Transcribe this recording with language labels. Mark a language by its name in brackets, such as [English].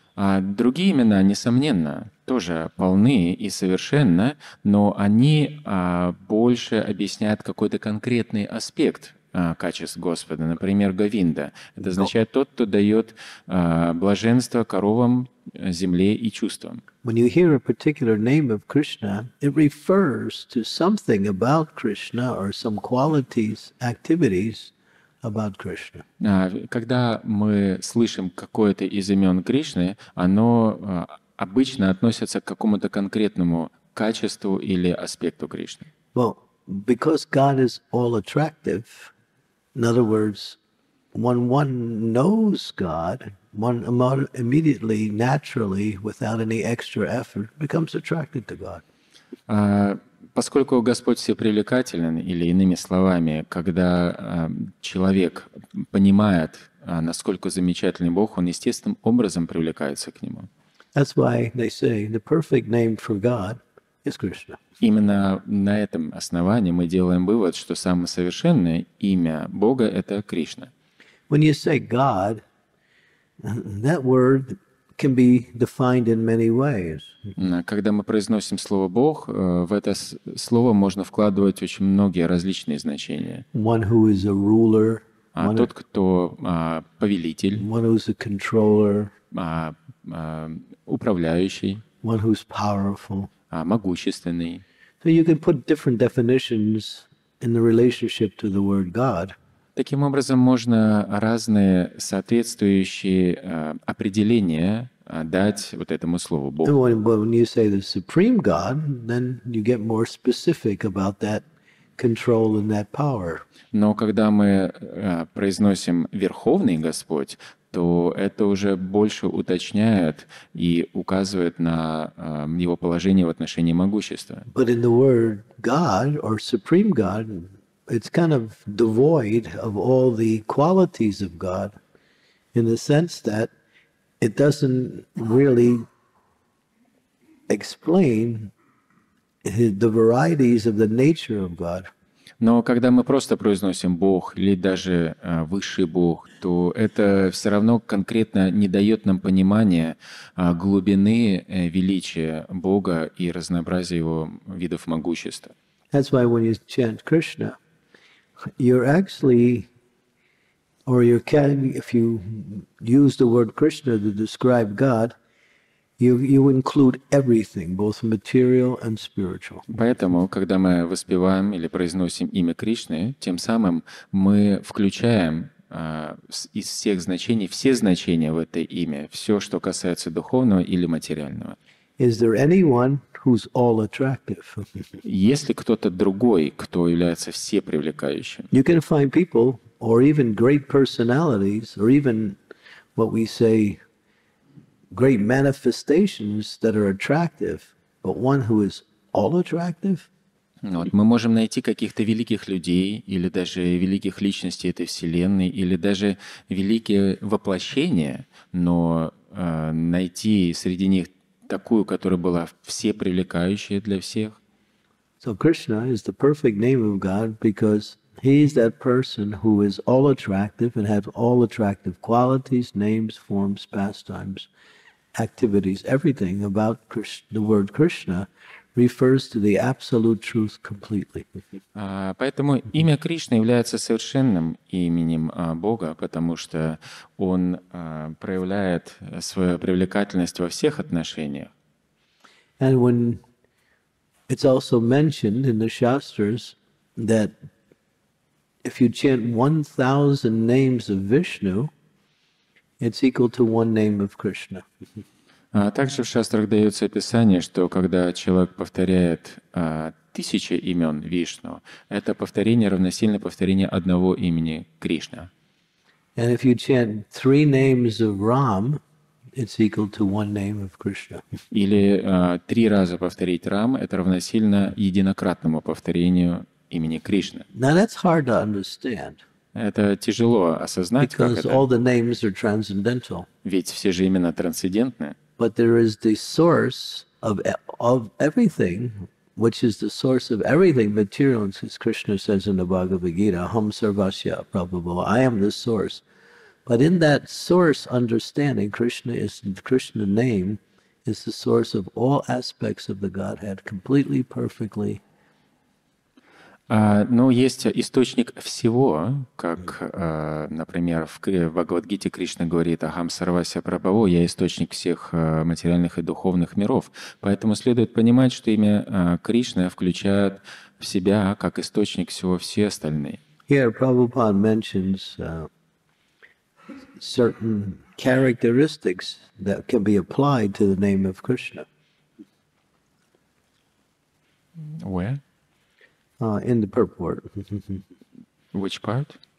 [Russian] А другие имена, несомненно, тоже полны и совершенны, но они больше объясняют какой-то конкретный аспект качеств Господа. Например, Говинда. Это означает тот, кто дает блаженство коровам, земле и чувствам. [English] When you hear a particular name of Krishna, it refers to something about Krishna or some qualities, activities about Krishna. [Russian] Когда мы слышим какое-то из имен Кришны, оно обычно относится к какому-то конкретному качеству или аспекту Кришны. [English] Well, because God is all attractive, in other words, when one knows God, one immediately, naturally, without any extra effort, becomes attracted to God. [Russian] Поскольку Господь всепривлекателен, или иными словами, когда человек понимает, насколько замечательный Бог, он естественным образом привлекается к Нему. [English] That's why they say the perfect name for God is Krishna. [Russian] Именно на этом основании мы делаем вывод, что самое совершенное имя Бога — это Кришна. [English] When you say God, that word can be defined in many ways. [Russian] Когда мы произносим слово Бог, в это слово можно вкладывать очень многие различные значения. [English] One who is a ruler. [Russian] Тот, кто повелитель. [English] One who is a controller. [Russian] Управляющий. [English] One who is powerful. [Russian] Могущественный. [English] So you can put different definitions in the relationship to the word God. [Russian] Таким образом, можно разные соответствующие определения дать вот этому слову Бог. [English] When you say the supreme God, then you get more specific about that control and that power. [Russian] Но когда мы произносим Верховный Господь, то это уже больше уточняет и указывает на его положение в отношении могущества. [English] But in the word God or supreme God, it's kind of devoid of all the qualities of God in the sense that it doesn't really explain the varieties of the nature of God. [Russian] Но когда мы просто произносим Бог или даже высший Бог, то это все равно конкретно не дает нам понимания глубины величия Бога и разнообразия его видов могущества. [English] That's why when you chant Krishna, you're actually, or you can, if you use the word Krishna to describe God, you include everything, both material and spiritual. [Russian] Поэтому, когда мы воспеваем или произносим имя Кришны, тем самым мы включаем из всех значений все значения в это имя, все, что касается духовного или материального. [English] Is there anyone who's all attractive? [Russian] Есть ли кто-то другой, кто является всепривлекающим? [English] You can find people, or even great personalities, or even what we say, great manifestations that are attractive, but one who is all attractive? [Russian] Вот, мы можем найти каких-то великих людей, или даже великих личностей этой вселенной, или даже великие воплощения, но найти среди них такую, которая была всепривлекающая для всех. [English] So Krishna is the perfect name of God because he is that person who is all attractive and has all attractive qualities, names, forms, pastimes, activities, everything about Krishna, the word Krishna refers to the absolute truth completely. [Russian] Поэтому имя Кришна является совершенным именем Бога, потому что он проявляет свою привлекательность во всех отношениях. [English] And when it's also mentioned in the Shastras that if you chant 1,000 names of Vishnu, it's equal to one name of Krishna. [Russian] А также в шастрах дается описание, что когда человек повторяет тысячи имен Вишну, это повторение равносильно повторению одного имени Кришна. [English] And if you chant three names of Ram, it's equal to one name of Krishna. [Russian] Или три раза повторить Рам, это равносильно единократному повторению имени Кришны. [English] Now that's hard to understand. [Russian] Это тяжело осознать, как это. [English] All the names are transcendental. [Russian] Ведь все же именно трансцендентны. [English] But there is the source of everything, which is the source of everything material, as Krishna says in the Bhagavad Gita, [Sanskrit] "Aham Sarvasya Prabhu." [English] I am the source. But in that source understanding, Krishna name is the source of all aspects of the Godhead completely, perfectly. [Russian] Но есть источник всего, как, например, в Бхагавадгите Кришна говорит [Sanskrit] «Ахам сарвасья прабаво», [Russian] я источник всех материальных и духовных миров. Поэтому следует понимать, что имя Кришна включает в себя как источник всего все остальные. [English] Here Prabhupada mentions certain characteristics that can be applied to the name of Krishna. Where? In the purport. Which part?